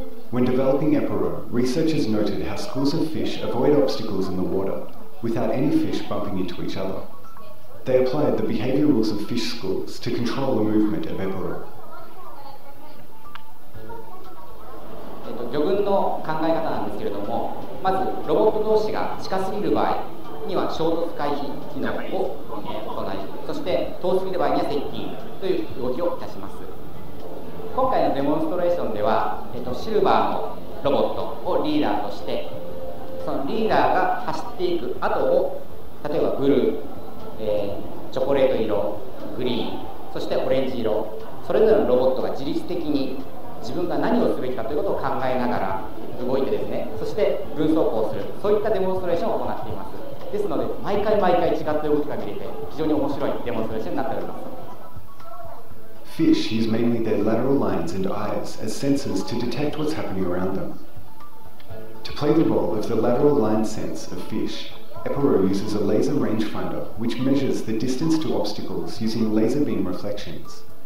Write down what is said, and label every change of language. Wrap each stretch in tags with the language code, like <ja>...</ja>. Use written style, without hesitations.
<en>When developing Eporo, researchers noted how schools of fish avoid obstacles in the water without any fish bumping into each other. They applied the behavior rules of fish schools to control the movement of Eporo.</en> <ja>魚群の考え方なんですけれども、まずロボット同士が近すぎる場合にには衝突回避機能を行い、そして遠すぎる場合には接近という動きをいたします。今回のデモンストレーションでは、シルバーのロボットをリーダーとして、そのリーダーが走っていく後を、例えばブルー、チョコレート色、グリーン、そしてオレンジ色、それぞれのロボットが自律的に自分が何をすべきかということを考えながら動いてですね、そして分走行する、そういったデモンストレーションを行っています。ですので毎回毎回違った動きが見れて、非常に面白いデモンストレーションになっております。</ja> <en>Fish use mainly their lateral lines and eyes as sensors to detect what's happening around them. To play the role of the lateral line sense of fishEPORO uses a laser rangefinder which measures the distance to obstacles using laser beam reflections.</en>